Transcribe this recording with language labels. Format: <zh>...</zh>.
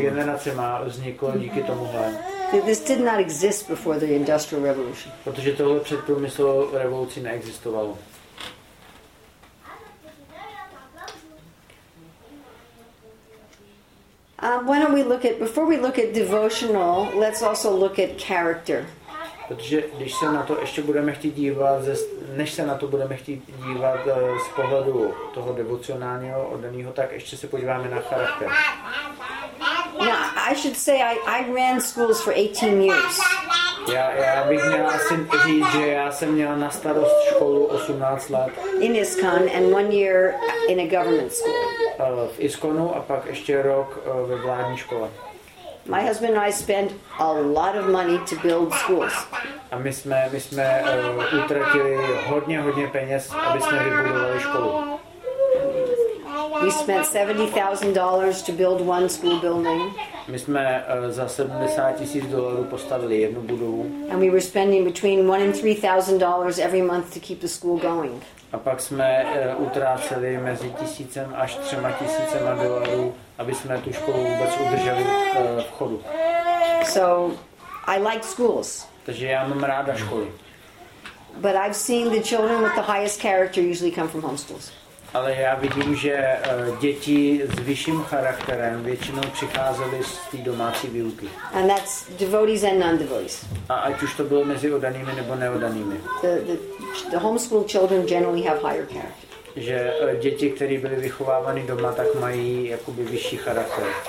<cs>generacemi vzniklo díky tomuhle.</cs> <en>This did not exist before the Industrial Revolution.</en> <cs>Protože tohle před průmyslovou revolucí neexistovalo.</cs> <en>Why don't we look at, before we look at devotional, let's also look at character.</en> <cs>Protože když se na to ještě budeme chtít dívat, než se na to budeme chtít dívat z pohledu toho devocionálního oddaného, tak ještě se podíváme na charakter.</cs> <en>Now, I should say I ran schools for 18 years.</en> <cs>Já bych měl asi říct, že já jsem měl na starost školu 18 let.</cs> <en>In ISKCON and one year in a government school.</en> <cs>V ISKCONu a pak ještě rok ve vládní škole.</cs> <en>My husband and I spent a lot of money to build schools.</en> <cs>A my jsme utratili hodně peněz, aby jsme vybudovali školu.</cs> <en>We spent $70,000 to build one school building.</en> <cs>My jsme za $70,000 postavili jednu budovu.</cs> <en>And we were spending between $1,000 and $3,000 every month to keep the school going.</en> <cs>A pak jsme utráceli mezi $1,000 až $3,000, aby jsme tu školu vůbec udrželi v chodu.</cs> <en>So, I like schools.</en> <cs>Takže já mám ráda školy.</cs> <en>But I've seen the children with the highest character usually come from homeschools.</en> <cs>Ale já vidím, že děti s vyšším charakterem většinou přicházely z té domácí výuky.</cs> <en>And that's devotees and non-devotees.</en> <cs>A ať už to bylo mezi oddanými nebo neoddanými.</cs> <en>The homeschool children generally have higher character.</en> <cs>Že děti, které byly vychovávány doma, tak mají jakoby vyšší charakter.</cs>